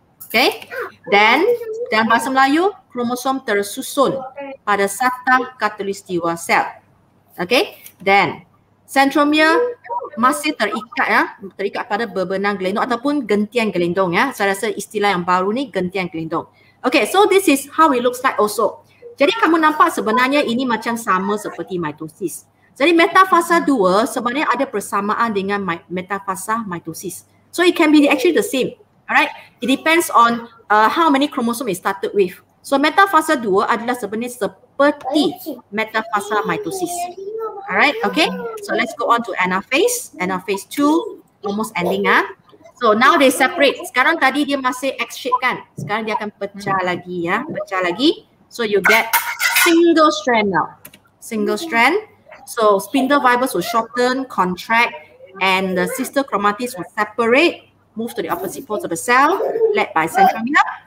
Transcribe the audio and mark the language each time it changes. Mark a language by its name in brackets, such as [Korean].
[Malay] Okay, then dalam bahasa Melayu, kromosom tersusun pada satang katulistiwa sel. Okay, then centromere masih terikat ya, terikat pada bebenang gelendong ataupun gentian gelendong ya. Saya rasa istilah yang baru ni gentian gelendong. [English] Okay, so this is how it looks like also. [Malay] Jadi kamu nampak sebenarnya ini macam sama seperti mitosis. Jadi metafasa 2 sebenarnya ada persamaan dengan metafasa mitosis. [English] So it can be actually the same. Alright, it depends on how many chromosome it started with. [Malay] So metafasa 2 adalah sebenarnya seperti metafasa mitosis. [English] Alright, okay. So let's go on to anaphase. Anaphase 2 almost ending ah. So now they separate. [Malay] Sekarang tadi dia masih X shape kan? Sekarang dia akan pecah lagi ya. Pecah lagi. [English] So you get single strand now. Single strand. So spindle fibers will shorten, contract, and the sister chromatids will separate, move to the opposite poles of the cell, led by centromere.